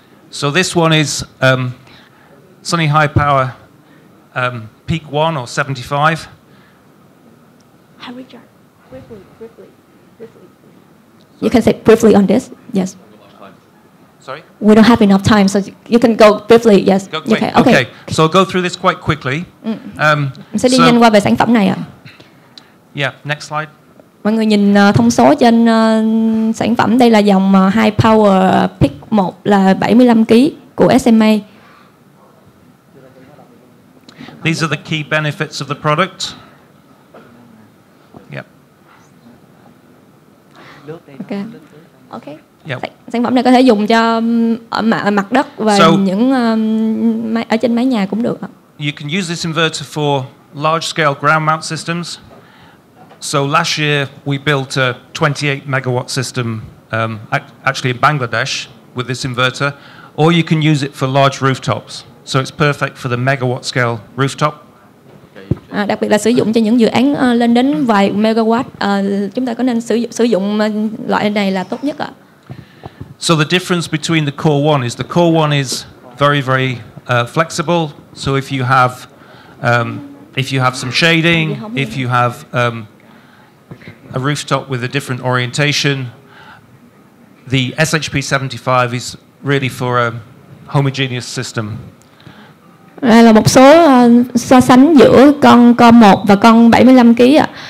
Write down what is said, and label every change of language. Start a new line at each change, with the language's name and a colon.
English: So this one is sunny high power peak 1 or 75. How we charge? Briefly. You can say briefly on this. Yes. Sorry? We don't have enough time, so you can go briefly. Yes. Go quick. Okay. So I'll go through this quite quickly.
Vietnamese: Sẽ đi nhanh qua về sản phẩm này ạ.
English: Yeah, next slide.
Vietnamese: Mọi người nhìn thông số trên sản phẩm, đây là dòng high power peak 1 là 75 kg của SMA.
English: These are the key benefits of the product. Yep. Okay. Okay. Yep.
Vietnamese: Sản phẩm này có thể dùng cho mặt đất và những ở trên mái nhà cũng được.
English: You can use this inverter for large scale ground mount systems. So last year we built a 28 megawatt system actually in Bangladesh with this inverter, or you can use it for large rooftops. So it's perfect for the megawatt scale rooftop.
Vietnamese: Đặc biệt là sử dụng cho những dự án lên đến vài megawatt, chúng ta có nên sử dụng loại này là tốt nhất ạ.
English: So the difference between the core one is very very flexible. So if you have some shading, if you have a rooftop with a different orientation, the SHP75 is really for a homogeneous system.
Vietnamese: Đây là một số so sánh giữa con 1 và con 75 kg ạ.